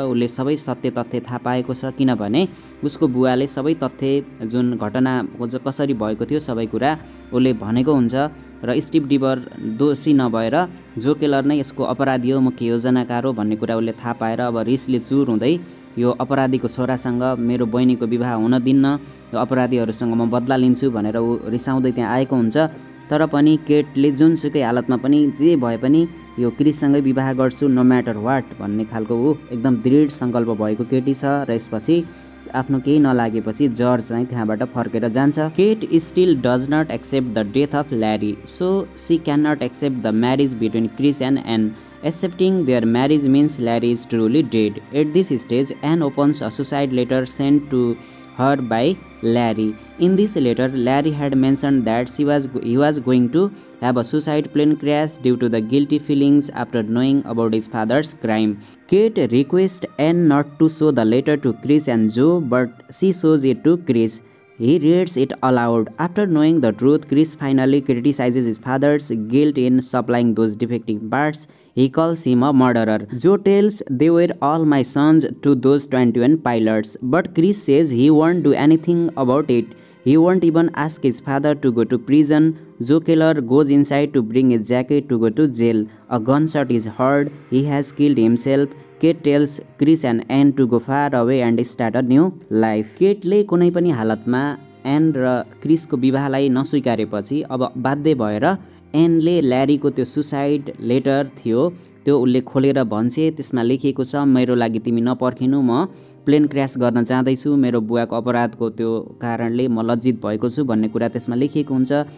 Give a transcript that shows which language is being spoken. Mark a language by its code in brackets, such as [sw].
[ne] उसले सबै सत्य तथ्य थाहा पाएको छ किनभने उसको बुवाले सबै तथ्य जुन घटना कसरी भएको थियो सबै कुरा उसले भनेको हुन्छ र स्टिभ डिभर दोषी नभएर जो केलर नै यसको अपराधी हो, मुख्य योजनाकार हो भन्ने कुरा उसले थाहा पाएर अब रिसले चुर हुँदै यो अपराधीको छोरासँग मेरो बहिनीको विवाह हुन दिन्न, यो अपराधीहरूसँग म बदला लिन्छु भनेर ऊ रिसाउँदै त्यहाँ आएको हुन्छ। तर पनि केटले जुनसुकै हालतमा पनि जे भए पनि यो क्रिससँगै विवाह गर्छु [en] no matter what [ne] भन्ने खालको ऊ एकदम दृढ सङ्कल्प भएको केटी छ र यसपछि आफ्नो केही नलागेपछि जर्ज चाहिँ त्यहाँबाट फर्केर जान्छ। [en] Kate still does not accept the death of Larry, so she can not accept the marriage between Chris and Ann. Accepting their marriage means Larry is truly dead. At this stage Ann opens a suicide letter sent to her by Larry. In this letter Larry had mentioned that she was he was going to have a suicide plane crash due to the guilty feelings after knowing about his father's crime. Kate request Ann not to show the letter to Chris and Joe, but she shows it to Chris. He reads it aloud. After knowing the truth Chris finally criticises his father's guilt in supplying those defective parts. He calls him a murderer. Joe tells, "They were all my sons to those 21 pilots." But Chris says he won't do anything about it. He won't even ask his father to go to prison. Joe Keller goes inside to bring his jacket to go to jail. A gunshot is heard. He has killed himself. Kate tells Chris and Anne to go far away and start a new life. [ne] Kate कुनै पनि हालतमा an र क्रिसको विवाहलाई नस्वीकारेपछि अब बाध्य भएर Henle ल्यारीको त्यो suicide letter थियो त्यो उसले खोलेर भन्छे। त्यसमा लेखिएको छ, मेरो लागि तिमी नपर्खिनु, म प्लेन क्र्यास गर्न जाँदैछु, मेरो बुवाको अपराधको त्यो कारणले म लज्जित भएको छु भन्ने कुरा त्यसमा लेखिएको हुन्छ।